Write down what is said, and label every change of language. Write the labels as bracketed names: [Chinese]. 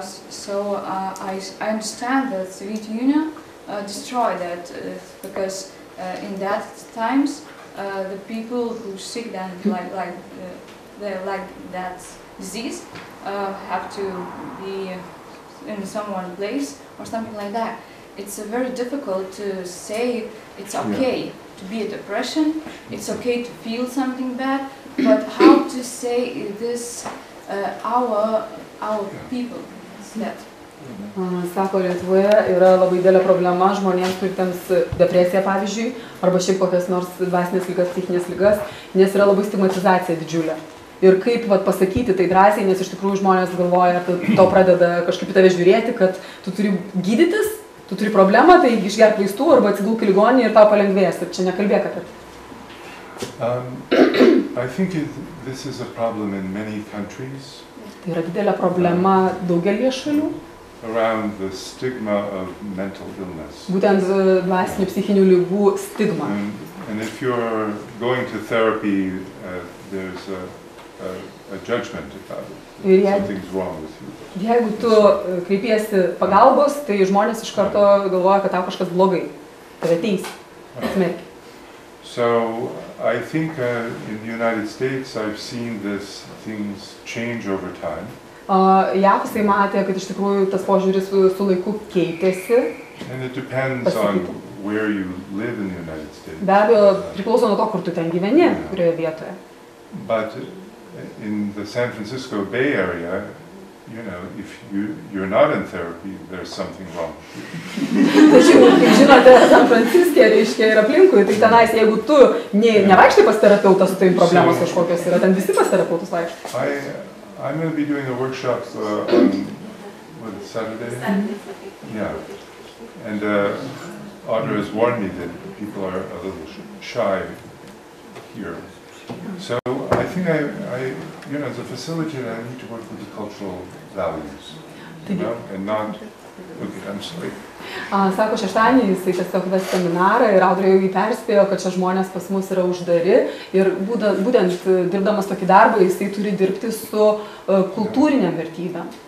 [English] So I understand that the Soviet Union destroyed that because in that times the people who sick them like that disease have to be in some one place or something like that. It's very difficult to say it's okay to be a depression, it's okay to feel something bad, but how to say this our people said. [Lithuanian] Sako, Lietuvoje yra labai didelė problema žmonėms turintiems depresiją, pavyzdžiui, arba šiaip kokias nors dvasinės lygas, psichinės lygas, nes yra labai stigmatizacija didžiulė. Ir kaip vat, pasakyti tai drąsiai, nes iš tikrųjų žmonės galvoja, to pradeda kažkaip į tave žiūrėti, kad tu turi gydytis, tu turi problemą, tai išgerk vaistų arba atsigulk į ligoninę ir tau palengvės. Ir čia nekalbėk apie tai. [English] I think this is a problem in many countries. [Lithuanian] Tai yra didelė problema daugelį šalių. [English] Around the stigma of mental illness. [Lithuanian] Būtent dvasinių psichinių lygų stigma. [English] And if you're going to therapy, there's a judgment about it. Something's wrong with you. [Lithuanian] Jeigu tu kreipiesi pagalbos, tai žmonės iš karto galvoja, kad tau kažkas blogai. Tave teis. Smerkia. [English] So I think in the United States I've seen this things change over time. [Lithuanian] Jav jisai matė, kad iš tikrųjų tas požiūris su laiku keitėsi. [English] And it depends on where you live in the United States. [Lithuanian] Be abejo, priklauso nuo to, kur tu ten gyveni, kurioje vietoje. [English] But in the San Francisco Bay Area, you know, if you're not in therapy, there's something wrong. [Lithuanian] Tačiau, kaip žinote, San Franciske, reiškia, ir aplinkui, tik tenais, jeigu tu nevaikštai pas terapeutą, su tavim problemos kažkokios yra, ten visi pas terapeutus vaikštai. [English] I'm going to be doing a workshop on Saturday. Yeah. And Audra has warned me that people are a little shy here. So I think I you know, as a facilitator, I need to work with the cultural values. You know? And not. Okay, I'm sorry. [Lithuanian] Sako, šeštadienį jisai tiesiog ves seminarą ir Audra jau jį perspėjo, kad čia žmonės pas mus yra uždari ir būtent dirbdamas tokį darbą jisai turi dirbti su kultūrinė vertybė.